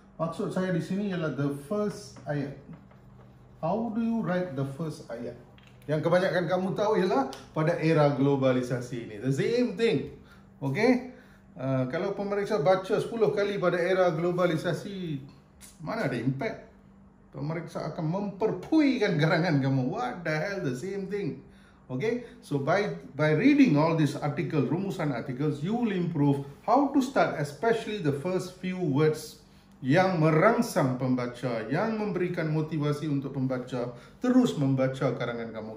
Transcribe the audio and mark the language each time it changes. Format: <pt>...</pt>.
<ms>Maksud saya di sini ialah</ms> <en>the first</en> <ms>ayat.</ms> <en>How do you write the first ayat?</en> <ms>Yang kebanyakan kamu tahu ialah pada era globalisasi ini.</ms> <en>The same thing. Okay?</en> <ms>Kalau pemeriksa baca 10 kali pada era globalisasi, mana ada impact? Pemeriksa akan memperpuikan karangan kamu.</ms> <en>What the hell? The same thing. Okay, so by reading all these articles, rumusan articles, you will improve how to start, especially the first few words</en> <ms>yang merangsang pembaca, yang memberikan motivasi untuk pembaca terus membaca karangan kamu.</ms>